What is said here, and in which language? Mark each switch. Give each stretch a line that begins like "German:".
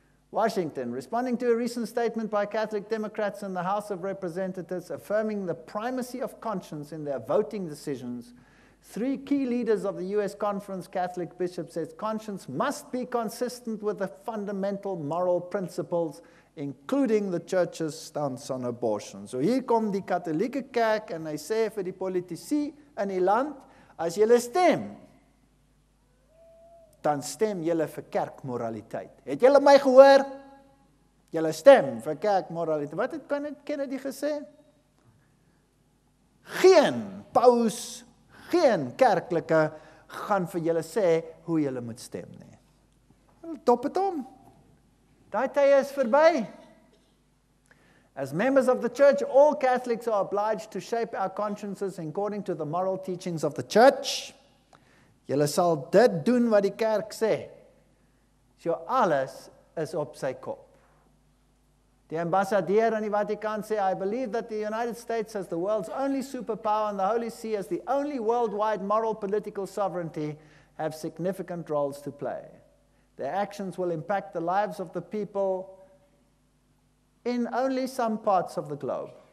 English: Washington, responding to a recent statement by Catholic Democrats in the House of Representatives affirming the primacy of conscience in their voting decisions, three key leaders of the U.S. Conference Catholic Bishops said conscience must be consistent with the fundamental moral principles, including the church's stance on abortion.
Afrikaans: So hier kom die katholieke kerk en hy sê vir die politici in die land, as julle stem, dan stem jylle vir kerkmoraliteit. Het jylle my gehoor? Jylle stem vir kerkmoraliteit. Wat het Kennedy gesê? Geen paus, geen kerklike gaan vir jylle sê hoe jylle moet stem nie. Top het om. Daai tyd is verby.
English: As members of the church, all Catholics are obliged to shape our consciences according to the moral teachings of the church.
Afrikaans: Julle sal dit doen wat die kerk sê. So alles is op sy kop. Die ambassadeur in die Vatikaan sê,
English: I believe that the United States as the world's only superpower and the Holy See as the only worldwide moral political sovereignty have significant roles to play. Their actions will impact the lives of the people in only some parts of the globe.